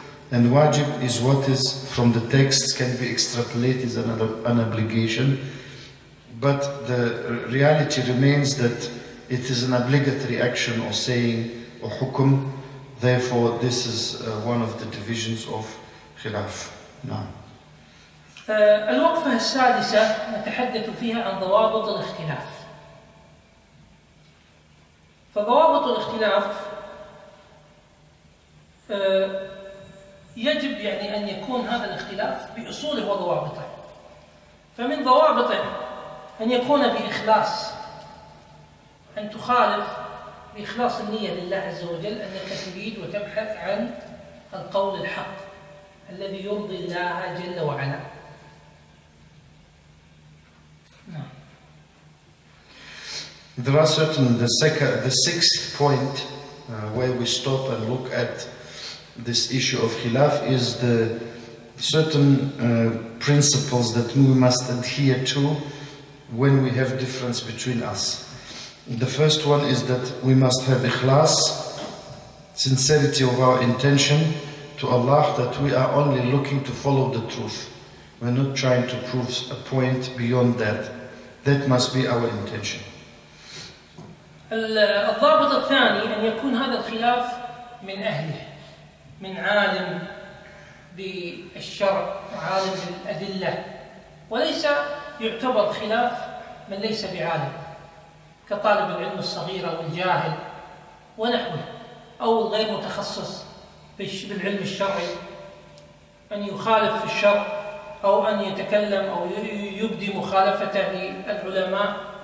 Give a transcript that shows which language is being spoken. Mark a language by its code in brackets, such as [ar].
[en] And wajib is what is from the texts can be extrapolated as an obligation. But the reality remains that it is an obligatory action or saying or hukum. Therefore, this is one of the divisions of khilaf. Now. [ar] الوقفة السادسة نتحدث فيها عن ضوابط الاختلاف. فضوابط الاختلاف يجب يعني أن يكون هذا الاختلاف بأصوله وضوابطه. فمن ضوابطه أن يكون بإخلاص، أن تخالف بإخلاص النية لله عز وجل، أنك تريد وتبحث عن القول الحق الذي يرضي الله جل وعلا. [en] There are certain, the sixth point where we stop and look at this issue of khilaf is the certain principles that we must adhere to when we have difference between us. The first one is that we must have ikhlas, sincerity of our intention to Allah, that we are only looking to follow the truth. We're not trying to prove a point beyond that. That must be our intention. [ar] الضابط الثاني أن يكون هذا الخلاف من أهله، من عالم بالشرع وعالم بالأدلة، وليس يعتبر خلاف من ليس بعالم كطالب العلم الصغير أو الجاهل ونحوه، أو غير متخصص بالعلم الشرعي، أن يخالف في الشرع أو أن يتكلم أو يبدي مخالفته للعلماء.